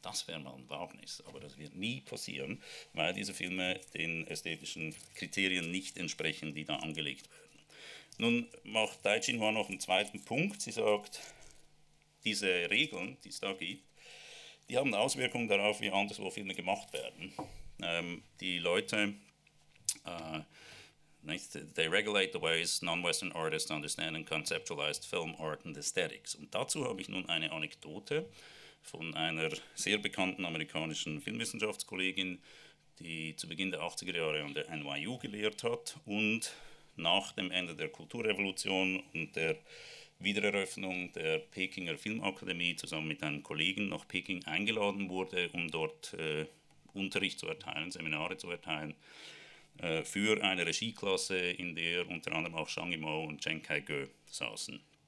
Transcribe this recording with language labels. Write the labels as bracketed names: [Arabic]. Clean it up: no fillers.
[German] Das wäre mal ein Wagnis, aber das wird nie passieren, weil diese Filme den ästhetischen Kriterien nicht entsprechen, die da angelegt werden. Nun macht Dai Jinhua noch einen zweiten Punkt. Sie sagt, diese Regeln, die es da gibt, die haben Auswirkungen darauf, wie anderswo Filme gemacht werden. Die Leute, [English] they regulate the ways non-Western artists understand and conceptualize film art and aesthetics. [German] Und dazu habe ich nun eine Anekdote von einer sehr bekannten amerikanischen Filmwissenschaftskollegin, die zu Beginn der 80er Jahre an der NYU gelehrt hat und nach dem Ende der Kulturrevolution und der Wiedereröffnung der Pekinger Filmakademie zusammen mit einem Kollegen nach Peking eingeladen wurde, um dort Unterricht zu erteilen, Seminare zu erteilen, für eine Regieklasse, in der unter anderem auch Zhang Yimou und Chiang Kai-shek saßen.